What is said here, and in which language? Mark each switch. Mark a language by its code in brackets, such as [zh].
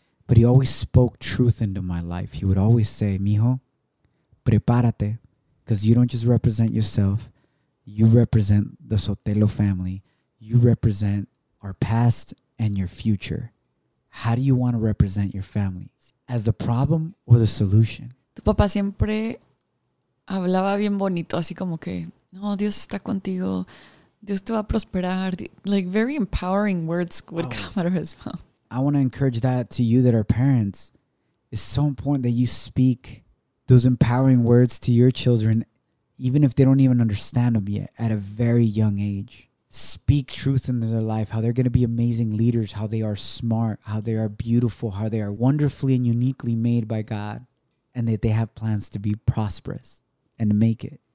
[en] But he always spoke truth into my life. He would always say, [es] mijo, prepárate. [en] Because you don't just represent yourself. You represent the Sotelo family. You represent our past and your future. How do you want to represent your family? As the problem or the solution? [es] Tu papá siempre hablaba bien bonito, así como que, no, Dios está contigo. Dios te va a prosperar. [en] Like very empowering words would come out of his mouth. I want to encourage that to you that are parents. It's so important that you speak those empowering words to your children, even if they don't even understand them yet, at a very young age. Speak truth into their life, how they're going to be amazing leaders, how they are smart, how they are beautiful, how they are wonderfully and uniquely made by God, and that they have plans to be prosperous and to make it.